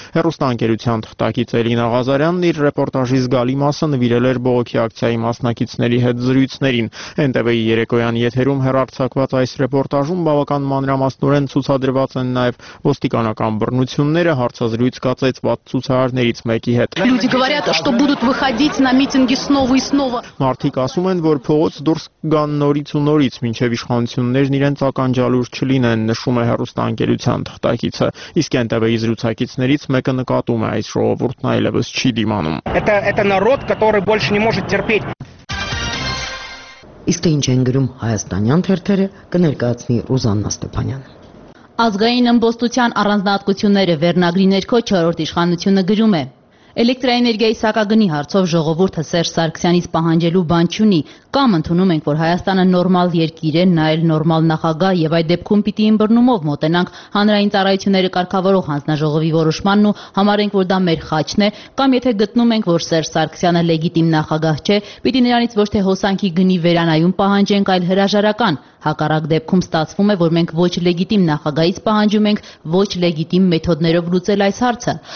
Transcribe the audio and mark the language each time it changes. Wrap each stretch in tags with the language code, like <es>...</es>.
<hy>Հեռուստաընկերության թղթակից Էլինա Ղազարյանն իր ռեպորտաժի զգալի մասը նվիրել էր բողոքի ակցիայի մասնակիցների հետ զրույցներին։ NTV-ի երեկոյան եթերում հեռարձակված այս ռեպորտաժում բավական մանրամասնորեն ցուցադրված են նաև ոստիկանական բռնությունները հարցազրույց կացեցված ցուցարարներից մեկի հետ։</hy> <ru>Люди говорят, что будут выходить на митинги снова и снова.</ru> <hy>Մարդիկ ասում են, որ փողոց դուրս կգան նորից ու նորից, մինչև իշխանություններն իրենց ականջալուր չլինեն, նշում է հեռուստաընկերության թղթակիցը։ Իսկ NTV-ի զրուցակիցներից մեկը նկատում է, այս ժողովուրդն այլևս չի դիմանում։</hy> <ru>Это народ, который больше не может терпеть.</ru> <hy>Իսկ թե ինչ են գրում հայաստանյան թերթերը, կներկայացնի Ռուզաննա Ստեփանյանը։ Ազգային ըմբոստության առանձնահատկությունները վերնագրի ներքո 4-րդ իշխանությունը գրում է. Էլեկտրաէներգիայի սակագնի հարցով ժողովուրդը Սերժ Սարգսյանից պահանջելու բան չունի, կամ ընդունում ենք, որ Հայաստանը նորմալ երկիր է, նաև նորմալ նախագահ, եւ այդ դեպքում պիտի ըմբռնումով մոտենանք հանրային ծառայությունները կարգավորող հանձնաժողովի որոշմանն ու համարենք, որ դա մեր խաչն է, կամ եթե գտնում ենք, որ Սերժ Սարգսյանը լեգիտիմ նախագահ չէ, պիտի նրանից ոչ թե հոսանքի գնի վերանայում պահանջենք, այլ հրաժարական, հակառակ դեպքում ստացվում է, որ մենք ոչ լեգիտիմ նախագահից պահանջում ենք, ոչ լեգիտիմ մեթոդներով լուծել այս հարցը,</hy>